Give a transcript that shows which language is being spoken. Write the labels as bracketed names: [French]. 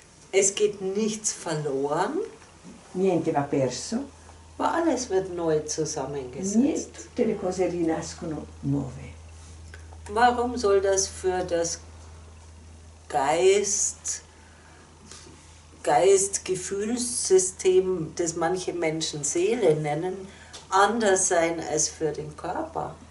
[German] Es geht nichts verloren. [Italian] Niente va perso. [German] Ma alles wird neu zusammengesetzt. [Italian] Tutte le cose rinascono nuove. [German] Warum soll das für das Geist-Gefühlssystem, das manche Menschen Seele nennen, anders sein als für den Körper?